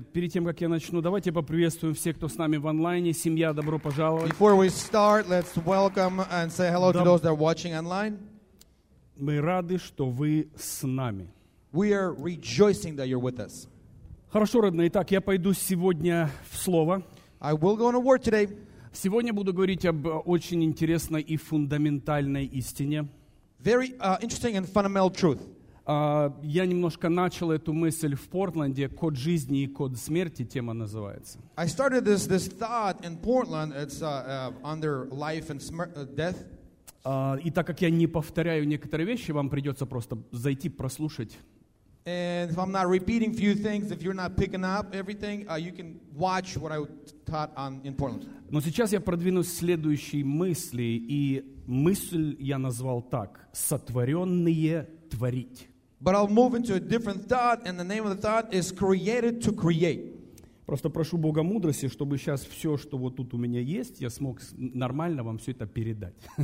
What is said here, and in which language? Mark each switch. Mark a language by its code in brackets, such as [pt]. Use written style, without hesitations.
[ru] Перед тем, как я начну, давайте поприветствуем всех, кто с нами в онлайне. Семья, добро пожаловать. [en] Before we start, let's welcome and say hello to those that are watching online. [ru] Мы рады, что вы с нами. [en] We are rejoicing that you're with us. [ru] Хорошо, родные. Итак, я пойду сегодня в слово. [en] I will go on a word today. [ru] Сегодня буду говорить об очень интересной и фундаментальной истине. [en] Very interesting and fundamental truth. [ru] Я немножко начал эту мысль в Портленде. Код жизни и код смерти тема называется. [en] I started this thought in Portland. It's under life and death. [ru] И так как я не повторяю некоторые вещи, вам придется просто зайти прослушать. [en] And if I'm not repeating few things, if you're not picking up everything, you can watch what I taught in Portland. [ru] Но сейчас я продвинусь к следующей мысли, и мысль я назвал так: сотворенные творить. [en] But I'll move into a different thought, and the name of the thought is created to create. [ru] Просто прошу Бога мудрости, чтобы сейчас все, что вот тут у меня есть, я смог нормально вам все это передать.